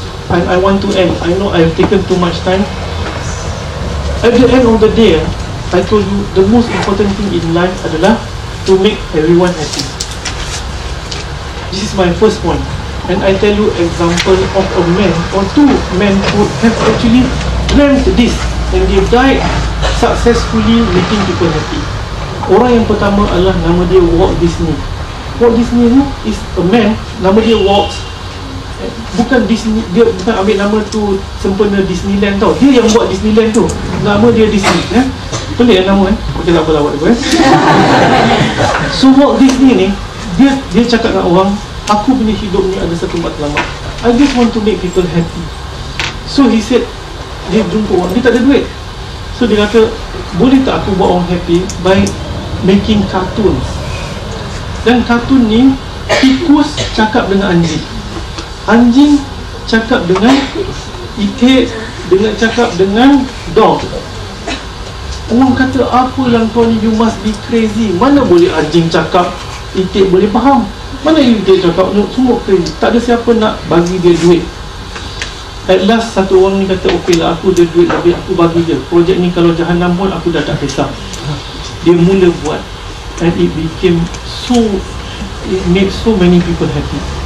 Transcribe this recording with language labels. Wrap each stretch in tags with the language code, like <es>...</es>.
<en>And I want to end, I know I have taken too much time. At the end of the day, I told you the most important thing in life</en> <ms>adalah</ms> <en>to make everyone happy. This is my first point. And I tell you example of a man or two men who have actually dreamt this and they died successfully making people happy.</en> <ms>Orang yang pertama adalah nama dia Walt Disney. Walt Disney ni</ms> <en>is a man,</en> <ms>nama dia Walt. Bukan Disney, dia bukan ambil nama tu sempena Disneyland tau. Dia yang buat Disneyland tu, nama dia Disney. Pelik kan nama kan? Okay, tak apalah buat dia kan? So Walt Disney ni, dia cakap dengan orang, aku punya hidup ni ada satu matlamat,</ms> <en>I just want to make people happy. So he said,</en> <ms>dia jumpa orang, dia tak ada duit. So dia kata, boleh tak aku buat orang happy by making cartoons? Dan cartoon ni, tikus cakap dengan anjing, anjing cakap dengan ikat, dengan cakap dengan dog. Orang kata, apa yang kau ni,</ms> <en>you must be crazy.</en> <ms>Mana boleh anjing cakap, itik boleh faham. Mana itik cakap, no, semua crazy. Tak ada siapa nak bagi dia duit.</ms> <en>At last,</en> <ms>satu orang ni kata, okey lah, aku dia duit, tapi aku bagi dia. Projek ni kalau jahanam pun, aku dah tak kisah. Dia mula buat.</ms> <en>And it became so, it made so many people happy.</en>